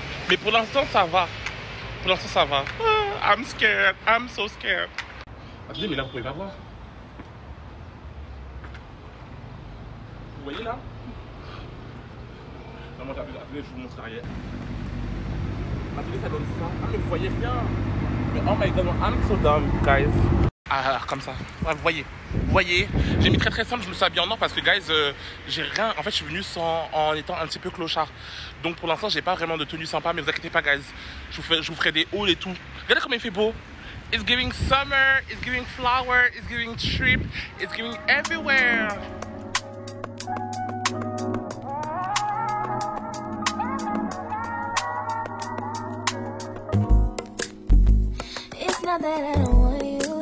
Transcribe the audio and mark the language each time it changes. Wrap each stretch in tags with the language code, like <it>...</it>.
<fr>Mais pour l'instant, ça va. Pour l'instant, ça va.</fr> <en>Oh, I'm scared. I'm so scared.</en> <fr>Attendez, mais là, vous pouvez pas voir. Vous voyez là? Non, moi, j'ai appelé, je vous montre arrière. Attendez, ça donne ça. Ah, mais vous voyez rien. Mais</fr> <en>oh my god, I'm so dumb, guys.</en> <fr>Ah, comme ça. Ah, vous voyez, j'ai mis très très simple, je me suis habillé en or parce que guys, j'ai rien, en fait je suis venu en étant un petit peu clochard. Donc pour l'instant j'ai pas vraiment de tenue sympa, mais vous inquiétez pas guys, je vous ferai des hauls et tout. Regardez comme il fait beau.</fr> <en>It's giving summer, it's giving flower, it's giving trip, it's giving everywhere. It's not that I don't want you.</en>